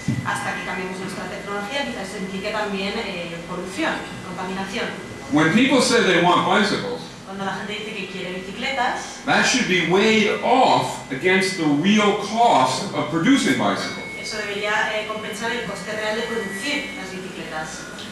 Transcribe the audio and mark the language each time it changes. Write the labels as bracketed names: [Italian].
[Spanish] Hasta que cambiemos nuestra tecnología, quizás implique también polución, contaminación. [English] When people say they want bicycles, [Spanish] cuando la gente dice que quiere bicicletas, [English] that should be weighed off against the real cost of producing bicycles. [Spanish] Eso debería compensar el coste real de producir las bicicletas.